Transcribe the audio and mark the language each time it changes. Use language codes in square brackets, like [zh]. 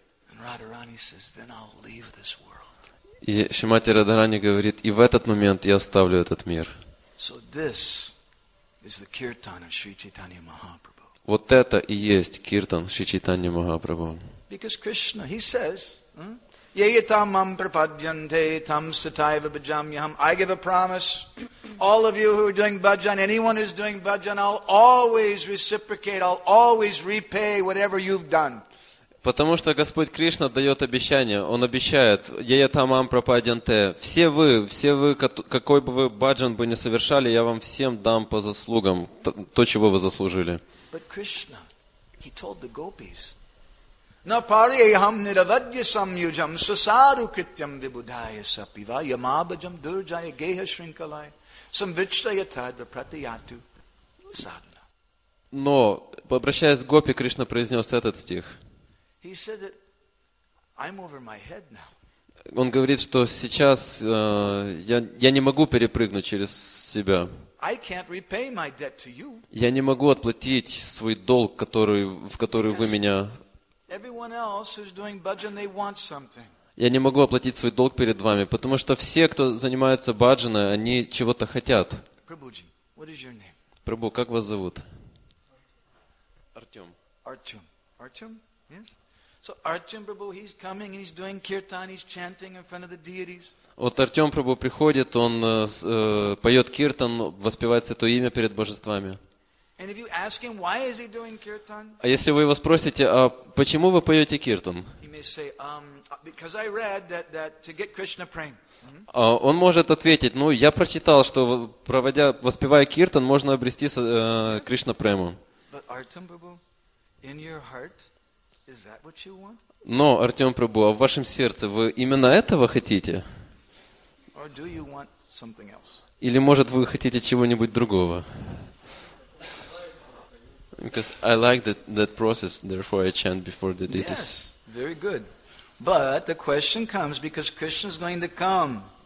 [en] And Radharani says, then I'll leave this world. [ru] И Шримати Радхарани говорит, и в этот момент я оставлю этот мир. [en] So this is the kirtan of Sri Chaitanya Mahaprabhu. [ru] Вот это и есть киртан Шри Чайтанья Махапрабху. [en] Because Krishna, he says, [sa] Yeyitam mam prapadyante tam sataiva bhajamyaham. [en] I give a promise. All of you who are doing bhajan, anyone who's doing bhajan, I'll always reciprocate. I'll always repay whatever you've done. [ru] Потому что Господь Кришна дает обещание. Он обещает, [sa] Yeyitam mam prapadyante. [ru] Все вы, какой бы вы бхаджан бы не совершали, я вам всем дам по заслугам то, чего вы заслужили. [en] But Krishna, he told the gopis, [sa] Na pariyaham niravadya samyujam sasadu krityam vibudhaya sapiva yamabajam durjaya geha shrinkalai samvichtaya tadra pratiyatu sadhana. [ru] Но, обращаясь к гопи, Кришна произнес этот стих. [en] He said that I'm over my head now. [ru] Он говорит, что сейчас я не могу перепрыгнуть через себя. [en] I can't repay my debt to you. [ru] Я не могу отплатить свой долг, в который вы меня... [en] Everyone else who's doing bhajan, they want something. [ru] Я не могу оплатить свой долг перед вами, потому что все, кто занимается бхаджаной, они чего-то хотят. [en] Prabhuji, what is your name? [ru] Прабу, как вас зовут? Артем. Артем. Артем? Yes. [en] So Artem Prabhu, he's coming and he's doing kirtan, he's chanting in front of the deities. [ru] Вот Артем Прабу приходит, он поет киртан, воспевает святое имя перед божествами. [en] And if you ask him why is he doing kirtan? [ru] А если вы его спросите, а почему вы поете киртан? [en] He may say, because I read that to get Krishna praying. [ru] Он может ответить, ну я прочитал, что проводя, воспевая киртан, можно обрести Кришна прему. [en] But Artem Prabhu, in your heart, is that what you want? [ru] Но Артем Прабу, а в вашем сердце вы именно этого хотите? [en] Or do you want something else? [ru] Или может вы хотите чего-нибудь другого? [en] Because I like that process, therefore I chant before the deities. Yes, very good. But the question comes because Krishna is going to come.